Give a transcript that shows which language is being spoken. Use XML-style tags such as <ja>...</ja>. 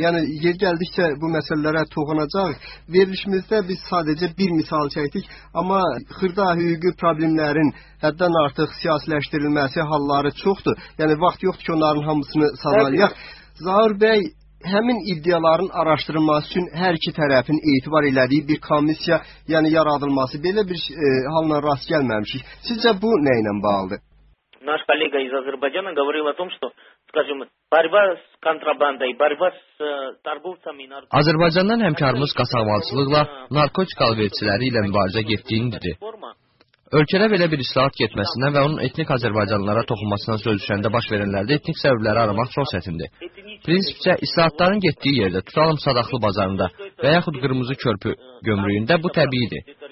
<az>Yəni, yer gəldikcə bu məsələlərə toxunacaq. Verilişimizdə biz sadəcə bir misal çəkdik, amma xırda hüquqi problemlərin həddən artıq siyasiləşdirilməsi halları çoxdur. Yəni, vaxt yoxdur ki, onların hamısını sadalayaq. Zahir bəy, həmin iddiaların araşdırılması üçün hər iki tərəfin etibar elədiyi bir komissiya, yəni yaradılması belə bir halına rast gəlməmişik. Sizcə bu nə ilə bağlıdır?</az> <ru>Наш коллега из Азербайджана говорил о том, что, скажем, борьба с контрабандой, борьба с торговцами наркотиками.</ru> <az>Азербайджаннан həmkarımız qasavalçılıqla, narkotik alverçiləri ilə mübarizə getdiyini dedi. Ölkədə belə bir islahat getməsindən və onun etnik Azərbaycanlılara toxunmasından söz düşəndə baş verənlərdə etnik səbəbləri aramaq çox çətindir. Prinsipcə, islahatların getdiyi yerdə, tutalım Sadaqlı bazarında və yaxud Qırmızı Körpü gömrüyündə bu təbiidir.</az>